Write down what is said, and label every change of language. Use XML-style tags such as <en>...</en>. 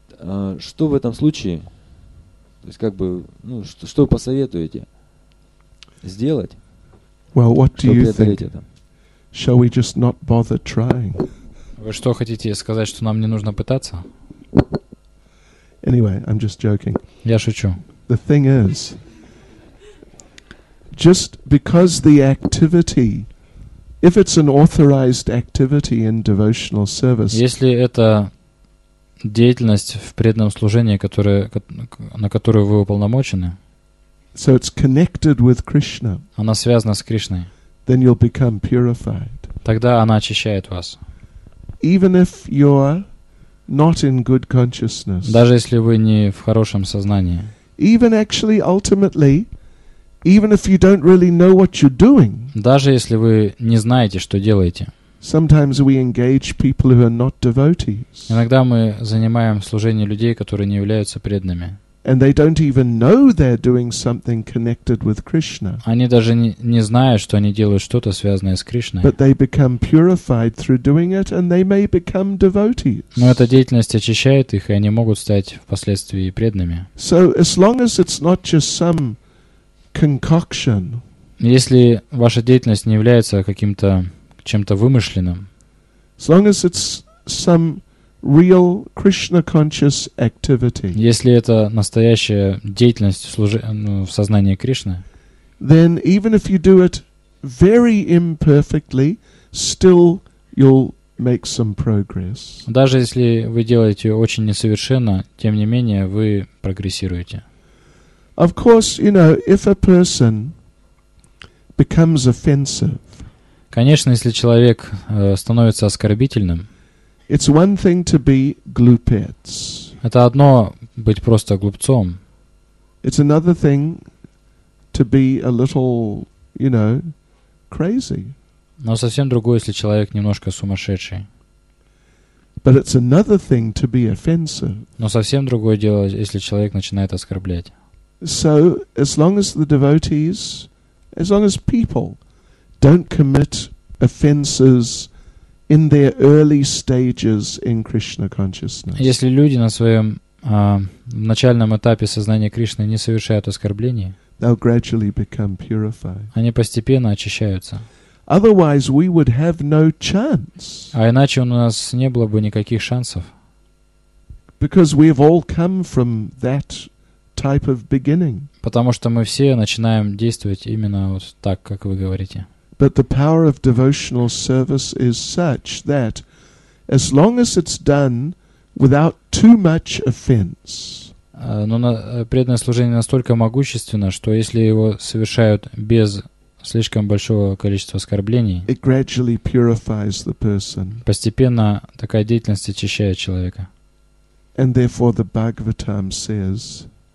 <ru>А что в этом случае? То есть как бы, ну, что вы посоветуете сделать?</ru> <en>Well, what do you think?</en> <ru>Это?</ru> <en>Shall we just not bother trying?</en> <ru>Вы что хотите сказать, что нам не нужно пытаться?</ru> <en>Anyway, I'm just joking.</en> <ru>Я шучу.</ru> <en>The thing is, just because the activity, if it's an authorized activity in devotional service,</en> <ru>если это деятельность в преданном служении, которая, на которую вы уполномочены,</ru> <en>so it's connected with Krishna,</en> <ru>она связана с Кришной,</ru> <en>then you'll become purified.</en> <ru>Тогда она очищает вас.</ru> <en>Even if you're not in good consciousness,</en> <ru>даже если вы не в хорошем сознании,</ru> <en>even actually ultimately, even if you don't really know what you're doing,</en> <ru>даже если вы не знаете, что делаете,</ru> <en>sometimes we engage people who are not devotees.</en> <ru>Иногда мы занимаем служение людей, которые не являются преданными.</ru> <en>And they don't even know they're doing something connected with Krishna.</en> <ru>Они даже не знают, что они делают что-то связанное с Кришной.</ru> <en>But they become purified through doing it, and they may become devotees.</en> <ru>Но эта деятельность очищает их, и они могут стать впоследствии преданными.</ru> <en>So as long as it's not just some concoction.</en> <ru>Если ваша деятельность не является каким-то чем-то вымышленным.</ru> <en>As long as it's some real Krishna conscious activity.</en> <ru>Если это настоящая деятельность в сознании Кришны,</ru> <en>then even if you do it very imperfectly, still you'll make some progress.</en> <ru>Даже если вы делаете очень несовершенно, тем не менее вы прогрессируете.</ru> <en>Of course, you know, if a person becomes offensive.</en> <ru>Конечно, если человек становится оскорбительным.</ru> <en>It's one thing to be glupets.</en> <ru>Это одно быть просто глупцом.</ru> <en>It's another thing to be a little, you know, crazy.</en> <ru>Но совсем другое, если человек немножко сумасшедший.</ru> <en>But it's another thing to be offensive.</en> <ru>Но совсем другое дело, если человек начинает оскорблять.</ru> <en>So as long as the devotees, as long as people don't commit offenses in their early stages in Krishna consciousness.</en> <ru>Если люди на своем начальном этапе сознания Кришны не совершают оскорблений,</ru> <en>they'll gradually become purified.</en> <ru>Они постепенно очищаются.</ru> <en>Otherwise, we would have no chance.</en> <ru>А иначе у нас не было бы никаких шансов.</ru> <en>Because we've all come from that type of beginning.</en> <ru>Потому что мы все начинаем действовать именно вот так, как вы говорите.</ru> <en>But the power of devotional service is such that as long as it's done without too much offense.</en> <ru>Но преданное служение настолько могущественно, что если его совершают без слишком большого количества оскорблений,</ru> <en>it gradually purifies the person.</en> <ru>Постепенно такая деятельность очищает человека.</ru> <en>And therefore the Bhagavatam says.</en>